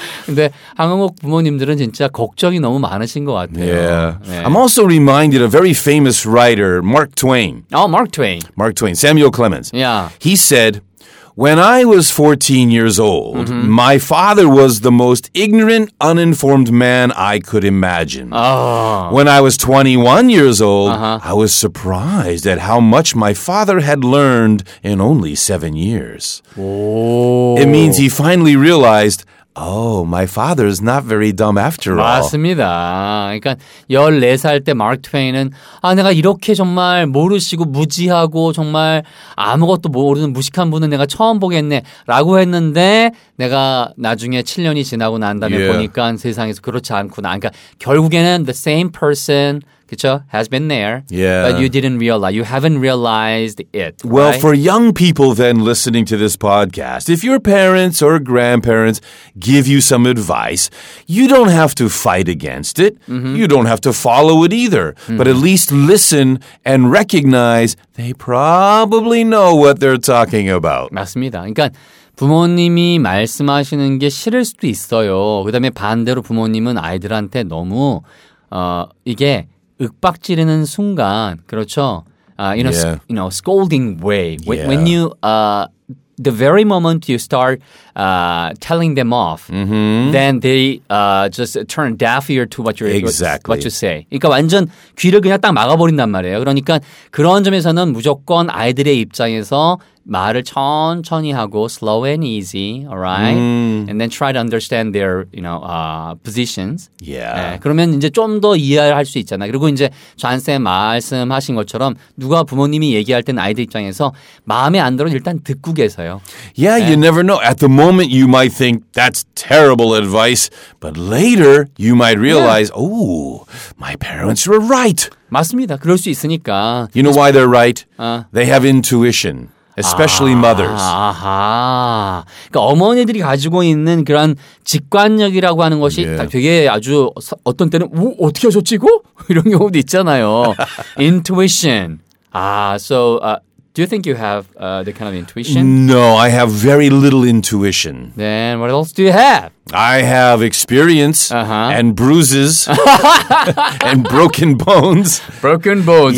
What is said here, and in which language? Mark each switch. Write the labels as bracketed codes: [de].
[ko] 근데 한국 부모님들은 진짜 걱정이 너무 많으신 것 같아요. [en] Yeah. I'm also reminded of a very famous writer, Mark Twain. Oh, Mark Twain. Mark Twain, Samuel Clemens. Yeah. He said, when I was 14 years old, mm-hmm. my father was the most ignorant, uninformed man I could imagine. Oh. When I was 21 years old, uh-huh. I was surprised at how much my father had learned in only 7 years. Oh. It means he finally realized, oh, my father is not very dumb after all. [ko] 맞습니다. 그러니까 14살 때 마크 트웨인은 아 내가 이렇게 정말 모르시고 무지하고 정말 아무것도 모르는 무식한 분은 내가 처음 보겠네라고 했는데 내가 나중에 7년이 지나고 난 다음에 [en] yeah. [ko] 보니까 세상에서 그렇지 않구나. 그러니까 결국에는 [en] the same person [ko] 그쵸? [en] Has been there, yeah. but you didn't realize. You haven't realized it. Well, right? for young people then listening to this podcast, if your parents or grandparents give you some advice, you don't have to fight against it. Mm-hmm. You don't have to follow it either. Mm-hmm. But at least listen and recognize they probably know what they're talking about. [ko] 맞습니다. 그러니까 부모님이 말씀하시는 게 싫을 수도 있어요. 그다음에 반대로 부모님은 아이들한테 너무 이게 윽박 지르는 순간 그렇죠. [en] You know, scolding way. Yeah. When you the very moment you start telling them off, mm-hmm. then they just turn deaf ear to what you exactly what you say. [ko] 그러니까 완전 귀를 그냥 딱 막아버린단 말이에요. 그러니까 그런 점에서는 무조건 아이들의 입장에서 말을 천천히 하고 [en] slow and easy, all right? Mm. And then try to understand their, you know, positions. Yeah. 네, [ko] 그러면 이제 좀 더 이해할 수 있잖아. 그리고 이제 전쌤 말씀하신 것처럼 누가 부모님이 얘기할 땐 아이들 입장에서 마음에 안 들어 일단 듣고 계세요. [en] Yeah, 네. you never know. At the moment you might think that's terrible advice, but later you might realize, yeah. oh, my parents were right. [ko] 맞습니다. 그럴 수 있으니까. [en] You know why they're right? 어. They have intuition. Especially mothers. 아하. [ko] 그러니까 어머니들이 가지고 있는 그런 직관력이라고 하는 것이 [en] yeah. [ko] 되게 아주 어떤 때는 오, 어떻게 하셨지고? 이런 경우도 있잖아요. Intuition. [en] Do you think you have the kind of intuition? No, I have very little intuition. Then what else do you have? I have experience uh-huh. and bruises and broken bones. Broken bones.